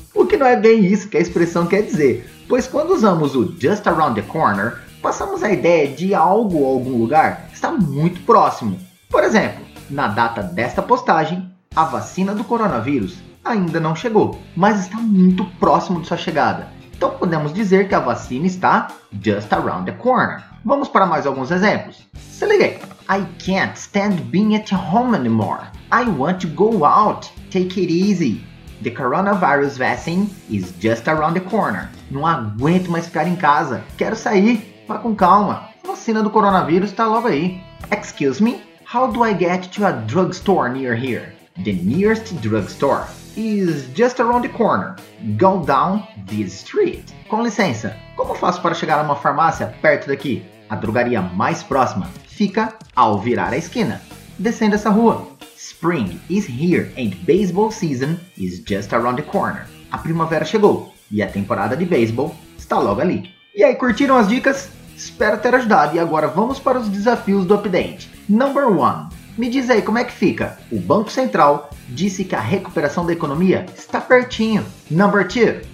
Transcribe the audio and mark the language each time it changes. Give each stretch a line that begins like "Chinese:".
Portuguese: O que não é bem isso que a expressão quer dizer, pois quando usamos o
English: just around the corner,
Portuguese: passamos a ideia de algo ou algum lugar está muito próximo. Por exemplo, na data desta postagem, a vacina do coronavírus ainda não chegou, mas está muito próximo de sua chegada. Então podemos dizer que a vacina está
English: just around the corner.
Portuguese: Vamos para mais alguns exemplos. Se liga aí.
English: I can't stand being at home anymore. I want to go out. Take it easy. The coronavirus vaccine is just around the corner.
Portuguese: Não aguento mais ficar em casa. Quero sair. Vá com calma. A vacina do coronavírus está logo aí.
English: Excuse me? How do I get to a drugstore near here? The nearest drugstore is just around the corner. Go down this street.
Portuguese: Com licença, como faço para chegar a uma farmácia perto daqui? A drogaria mais próxima fica ao virar a esquina. Descendo essa rua.
English: Spring is here and baseball season is just around the corner.
Portuguese: A primavera chegou e a temporada de baseball está logo ali. E aí, curtiram as dicas? Espero ter ajudado e agora vamos para os desafios do update.
English: Number 1.
Portuguese: Me diz aí como é que fica. O Banco Central disse que a recuperação da economia está pertinho.
English: Number 2.